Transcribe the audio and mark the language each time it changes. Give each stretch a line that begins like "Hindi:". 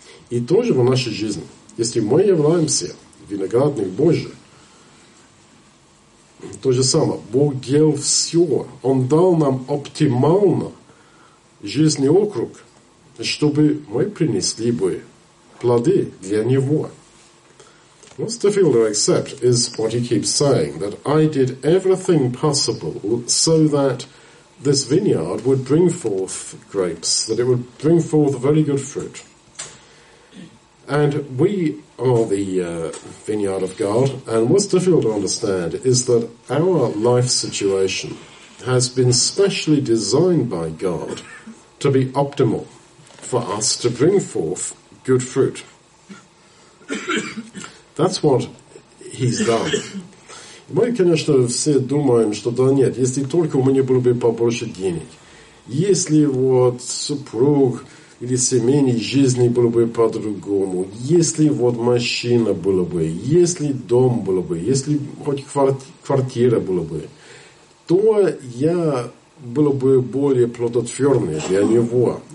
Russian: И тоже в нашей жизни, если мы являемся виноградным Божьим, то же самое, Бог делал все. Он дал нам оптимально жизненный округ, чтобы мы принесли бы плоды для Него.
English: What's difficult to accept is what he keeps saying, that I did everything possible so that this vineyard would bring forth grapes, that it would bring forth very good fruit. And we are the vineyard of God. And what's difficult to understand is that our life situation has been specially designed by God to be optimal for us to bring forth good fruit. That's what he's done.
Russian: Мы, конечно, все думаем, что да нет, если только у меня было бы побольше денег, если вот супруг или семейной жизни было бы по-другому, если вот машина была бы, если дом был бы, если хоть квартира была бы, то я был бы более плодотворный для него.